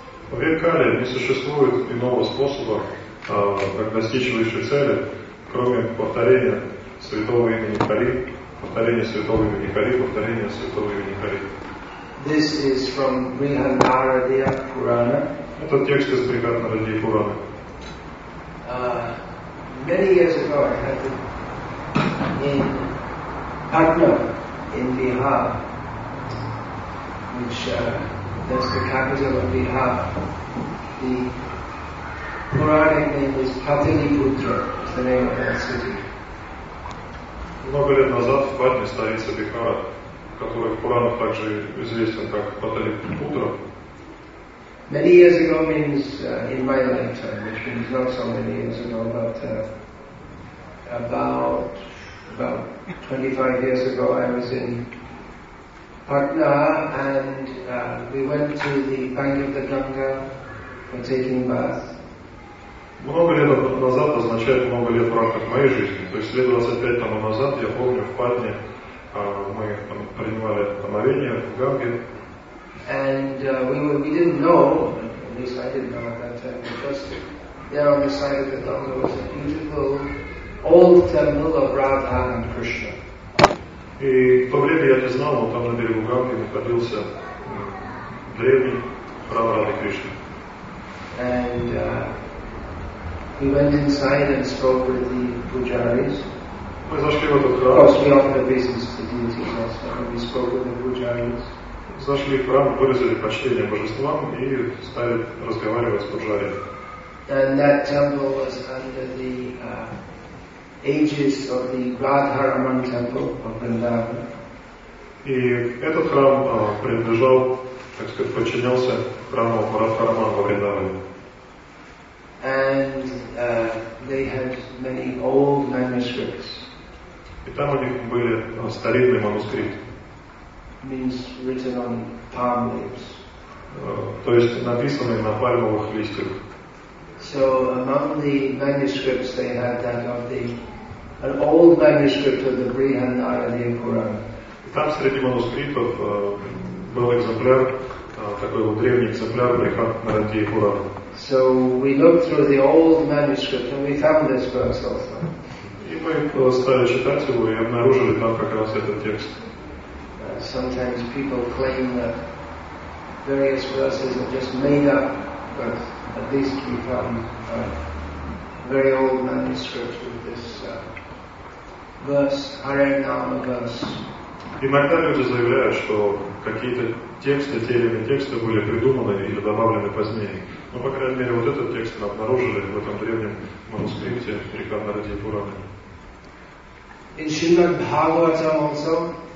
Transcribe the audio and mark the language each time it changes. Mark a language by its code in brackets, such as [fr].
[ru] В Вейдхаре не существует иного способа достичивающей цели, кроме повторения святого имени Хари, повторения святого имени Хари, повторения святого имени Хари. [en] This is from Brihadaranyaka Purana. [ru] Этот текст из Брихадаранья Пурана. [en] Many years ago I had to, in Patna, in Bihar, which that's the capital of Bihar. The Puranic name is Pataliputra, is the name of that city. [ru] Много лет назад в Патне, столица Бихара, который в Пуранах также известен как Паталипутра. [en] Many years ago means in my lifetime, which means not so many years ago, but about 25 years ago I was in Patna and we went to the bank of the Ganga for taking bath. [ru] Много лет назад означает много лет в рамках моей жизни. То есть лет 25 тому назад, я помню, в Патне мы принимали омовение в Ганге. [en] And we didn't know, at least I didn't know at that time, because there on the side of the Ganga was a beautiful old temple of Radha and Krishna. [ru] И в то время я не знал, но там на берегу Ганги находился древний храм Рады Кришны. [en] And we went inside and spoke with the pujaris. [ru] Мы зашли в этот храм. [en] Of course, we offered business to deities also, and we spoke with the pujaris. [ru] Зашли в храм, выразили почтение божествам и стали разговаривать с пуджарями. [en] And that temple was under the aegis of the Radharaman temple of Vrindavan. [ru] И этот храм принадлежал, так сказать, подчинялся храму Радхарамана во Вриндаване. [en] And they had many old manuscripts. [ru] И там у них были старинные манускрипты. [en] Means written on palm leaves. [ru] То есть написанные на пальмовых листьях. [en] So among the manuscripts they had that of the an old manuscript of the Brihadaranyaka Purana. [ru] Там среди манускриптов был экземпляр такой вот древний экземпляр Брихадаранья Пурана. [en] So we looked through the old manuscript and we found this verse also. [ru] И мы стали читать его и обнаружили там как раз этот текст. [en] Sometimes people claim that various verses are just made up, but at least we found a very old manuscript with this verse, Hare Nama verse. [ru] Иногда люди заявляют, что какие-то тексты, те или иные тексты были придуманы или добавлены позднее. Но, по крайней мере, вот этот текст мы обнаружили в этом древнем манускрипте Брихадаранья Пурана. [en] In Srimad Bhagavatam also.